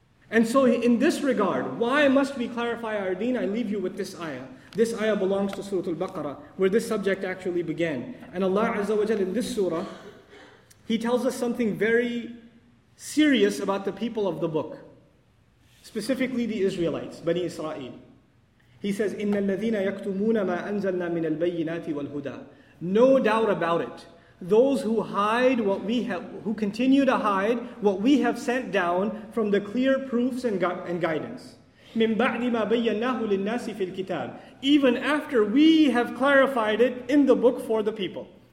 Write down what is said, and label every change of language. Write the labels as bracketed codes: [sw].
[en] And so in this regard, why must we clarify our deen? I leave you with this ayah. This ayah belongs to Surah Al-Baqarah, where this subject actually began. And Allah Azza wa Jal in this surah, He tells us something very serious about the people of the book. Specifically the Israelites, Bani Israel. He says, [ar] إِنَّ الَّذِينَ يَكْتُمُونَ مَا أَنزَلْنَا مِنَ الْبَيِّنَاتِ وَالْهُدَىٰ. [en] No doubt about it. Those who hide what we have, who continue to hide what we have sent down from the clear proofs and guidance. [ar] مِنْ بَعْدِ مَا بَيَّنَّاهُ لِلنَّاسِ فِي الْكِتَابِ. [en] Even after we have clarified it in the book for the people.